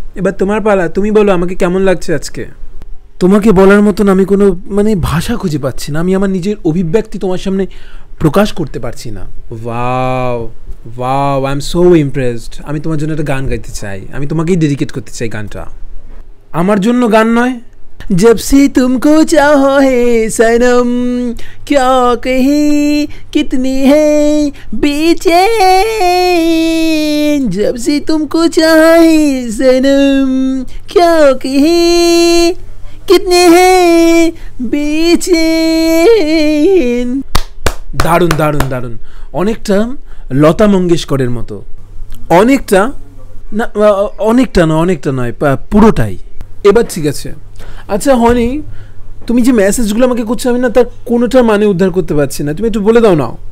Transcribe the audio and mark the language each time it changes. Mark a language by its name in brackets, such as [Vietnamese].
[Bangla] এবার তোমার পালা, তুমি বলো আমাকে কেমন লাগছে আজকে। তোমাকে বলার মতন আমি কোনো মানে ভাষা খুঁজে পাচ্ছি না। আমি আমার নিজের অভিব্যক্তি তোমার সামনে প্রকাশ করতে পারছি না। [English] Wow wow, I am so impressed. [Bangla] আমি তোমার জন্য একটা গান গাইতে চাই, আমি তোমাকেই ডেডিকেট করতে চাই গানটা। আমার জন্য গান নয়, [Hindi] जब से तुमको चाहो है सनम, क्या कहे कितनी है बेचैन। जब से तुमको चाहो है सनम, क्या कहे कितनी है बेचैन। [Bangla] दारुण दारुण दारुण, অনেকটা লতা মঙ্গেশকরের মতো। অনেকটা না, অনেকটা না, অনেকটা নয়, পুরোটাই। এবার ঠিক আছে। আচ্ছা হনি, তুমি যে মেসেজগুলো আমাকে করছো আমি না তার কোনোটার মানে উদ্ধার করতে পারছি না, তুমি একটু বলে দাও না।